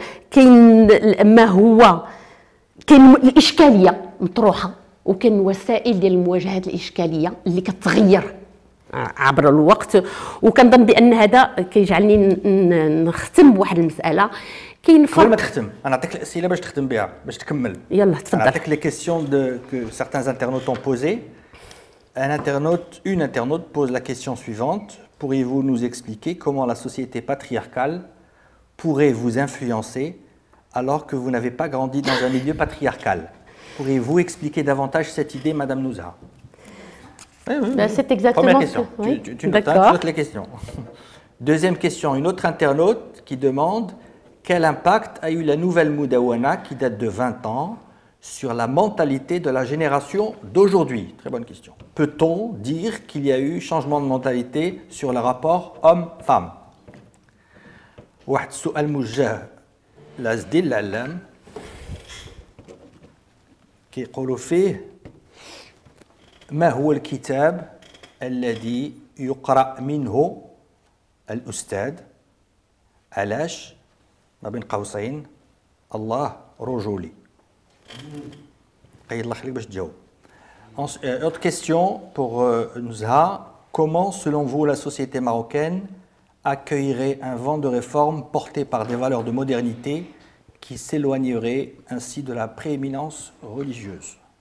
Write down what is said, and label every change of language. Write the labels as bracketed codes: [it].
[ar] كاين ما هو كاين الاشكاليه مطروحه وكاين وسائل ديال مواجهه الاشكاليه اللي كتغير عبر الوقت وكنظن بان هذا كيجعلني نختم بواحد المساله كاين فرق قبل ما تختم انا نعطيك الاسئله باش تخدم بها باش تكمل يلا تفضل عطيك [fr] لي كيسيون دو كو سارتان انترنوت اون بوزي ان انترنوت اون انترنوت بوز لا كيسيون سويفونت pourriez-vous nous expliquer comment la société patriarcale pourrait vous influencer alors que vous n'avez pas grandi dans un milieu patriarcal? Pourriez-vous expliquer davantage cette idée, Madame Nouza? C'est exactement ce que... Tu notes les questions. Deuxième question, une autre internaute qui demande quel impact a eu la nouvelle Moudaouana qui date de 20 ans sur la mentalité de la génération d'aujourd'hui? Très bonne question. Peut-on dire qu'il y a eu changement de mentalité sur le rapport homme-femme? [ar] واحد السؤال موجه لازدي العلام كيقولوا فيه ما هو الكتاب الذي يقرأ منه الأستاذ علاش ما بين قوسين الله رجولي قيد الله خليك باش تجاوب. [fr] Autre question pour Nouzha. Comment, selon vous, la société marocaine accueillerait un vent de réforme porté par des valeurs de modernité qui s'éloignerait ainsi de la prééminence religieuse?